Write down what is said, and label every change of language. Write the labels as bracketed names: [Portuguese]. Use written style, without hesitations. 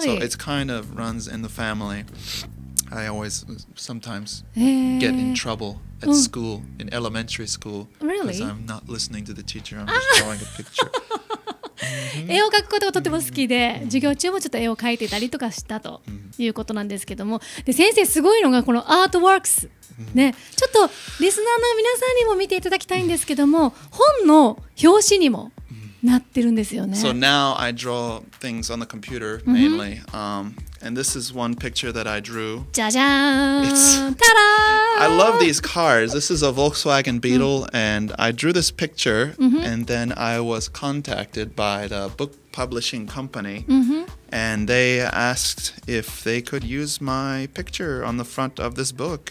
[English] So it's kind of runs in the family. I always sometimes get in trouble at school, in elementary school. Really? Because I'm not listening to the teacher, I'm just drawing a picture. [Japanese] 絵を描くことがとても好きで、授業中もちょっと絵を描いてたりとかしたということなんですけども、で先生すごいのがこのアートワークス、ね、ちょっとリスナーの皆さんにも見ていただきたいんですけども、本の表紙にもなってるんですよね。 [English] So now I draw things on the computer mainly、and this is one picture that I drew. [Japanese] じゃじゃーん、ただ [English] I love these cars. This is a Volkswagen Beetle, and I drew this picture, and then I was contacted by the book publishing company, and they asked if they could use my picture on the front of this book.